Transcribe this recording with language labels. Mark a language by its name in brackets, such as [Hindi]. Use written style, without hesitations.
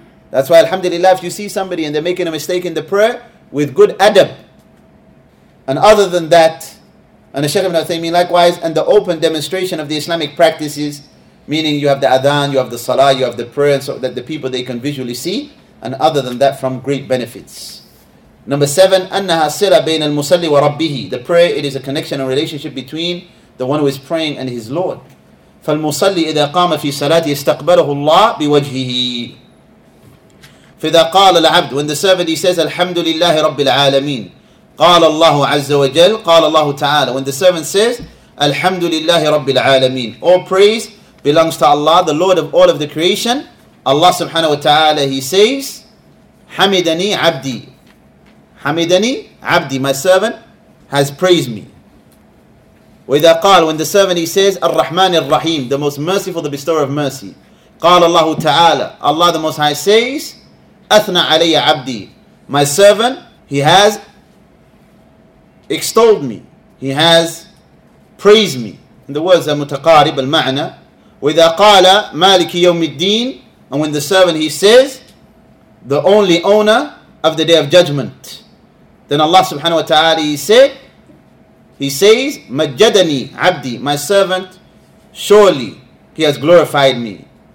[English] That's why, alhamdulillah, if you see somebody and they're making a mistake in the prayer, with good adab. And other than that, and the Shaykh ibn Uthaymeen likewise, and the open demonstration of the Islamic practices, meaning you have the adhan, you have the salah, you have the prayer, so that the people, they can visually see, and other than that, from great benefits. Number seven, [Arabic] أَنَّهَا صِلَ بَيْنَ الْمُصَلِّ وَرَبِّهِ. [English] The prayer, it is a connection and relationship between the one who is praying and his Lord. [Arabic] فَالْمُصَلِّ إِذَا قَامَ فِي صَلَاتِ يَسْتَقْبَلُهُ اللَّهِ بِوَجْهِهِ. فَإِذَا قَالَ الْعَبْدُ, [English] when the servant, he says, [Arabic] الْحَمْدُ لِلَّهِ رَبِّ الْعَالَمِينَ. قَالَ اللَّهُ عَزَّ وَجَلَّ, قَالَ اللَّهُ تَعَالَى. [English] When the servant says, الْحَمْدُ لِلَّهِ رَبِّ الْعَالَمِينَ. All praise belongs to Allah, the Lord of all of the creation. Allah subhanahu wa ta'ala, he says, [Arabic] حَمِدَنِي عَبْدِي. حَمِدَنِي عَبْدِي. [English] My servant has praised me. [Arabic] وَإِذَا قَالَ, [English] when the servant, he says, [Arabic] الرَّحْمَنِ الرَّحِيمِ, [English] the most merciful, the bestower of mercy. [Arabic] قَالَ اللَّهُ تَعَالَى, [English] Allah the Most High says, [Arabic] أَثْنَى عَلَيَّ عَبْدِي. [English] My servant, he has extolled me. He has praised me. And the words are [Arabic] متقارب المعنى. وَإِذَا قَالَ مَالِكِ يَوْمِ الدِّينِ, [English] and when the servant, he says, the only owner of the Day of Judgment, then Allah subhanahu wa ta'ala, he says, [Arabic] مَجَّدَنِي عَبْدِي, [English] my servant, surely he has glorified me.